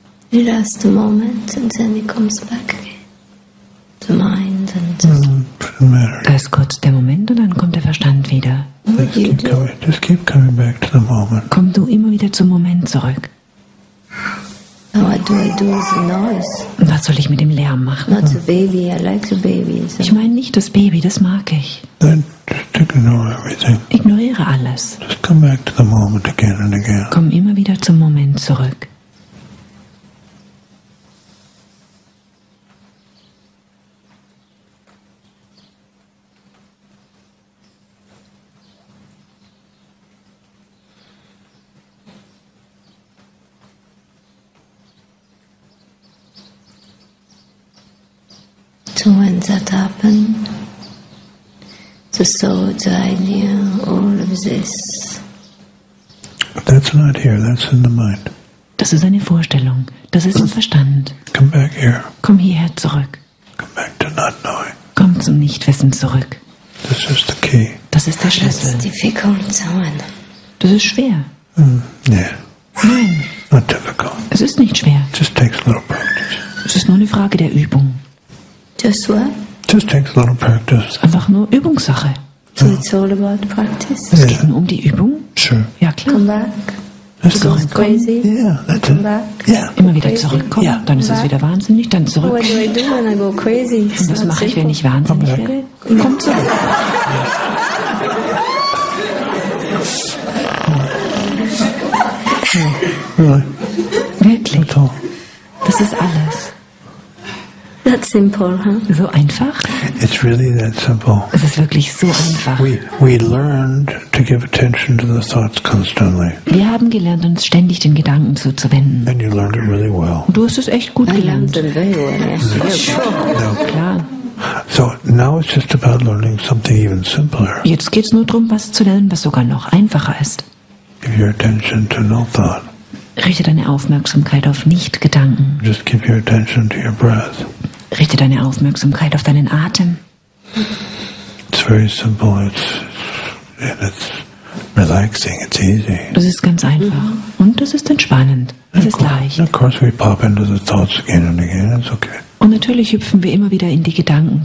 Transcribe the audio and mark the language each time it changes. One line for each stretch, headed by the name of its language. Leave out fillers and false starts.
English: You last a moment and then it comes back again. The mind and just...
German: Da ist kurz der Moment und dann kommt der Verstand wieder.
English: Just keep coming back to the moment.
German: Komm du immer wieder zum Moment zurück.
English: What do I do with the noise?
German: Was soll ich mit dem Lärm machen?
English: Not the baby, I like the baby.
German: So. Ich meine nicht das Baby, das mag ich.
English: Just ignore everything.
German: Ignoriere alles.
English: Just come back to the moment again and again.
German: Komm immer wieder zum Moment zurück.
English: So when that happened, the thought, the idea, all of this. That's not here, that's in the mind.
German: Das ist eine Vorstellung, das ist im Verstand.
English: Come back here.
German: Komm hierher zurück.
English: Come back to not knowing.
German: Komm zum Nichtwissen zurück.
English: This is the key.
German: Das ist der Schlüssel.
English: That's difficult, someone.
German: Das ist schwer.
English: Yeah.
German: Nein.
English: Not difficult.
German: Es ist nicht schwer.
English: It just takes a little practice.
German: Es ist nur eine Frage der Übung.
English: Just what? Just takes a little practice.
German: Ist einfach nur Übungssache.
English: So it's all about practice?
German: Es geht nur um die Übung?
English: Sure.
German: Ja, klar.
English: Come back. That's crazy. Yeah, that's it. Come back. Yeah.
German: Immer wieder zurückkommen. Yeah. Dann ist es wieder wahnsinnig. Dann zurück.
English: What do I do when I go crazy?
German: Und was mache ich, wenn ich wahnsinnig werde? Komm zurück. Yeah.
English: Really?
German: Wirklich.
English: That's all.
German: Das ist alles.
English: That simple, huh?
German: So einfach?
English: It's really that simple.
German: Es ist wirklich so einfach.
English: We learned to give attention to the thoughts constantly.
German: Wir haben gelernt, uns ständig den Gedanken zuzuwenden.
English: And you learned it really well.
German: Und du hast es echt gut gelernt.
English: So now it's just about learning something even simpler.
German: Jetzt geht's nur darum, was zu lernen, was sogar noch einfacher ist.
English: Give your attention to no thought.
German: Richte deine Aufmerksamkeit auf Nicht-Gedanken.
English: Just give your attention to your breath.
German: Richte deine Aufmerksamkeit auf deinen Atem.
English: It's very simple. It's relaxing. It's easy.
German: Das ist ganz einfach. Und das ist entspannend. Das ist leicht.
English: Of course we pop into the thoughts again and again. It's okay.
German: Und natürlich hüpfen wir immer wieder in die Gedanken.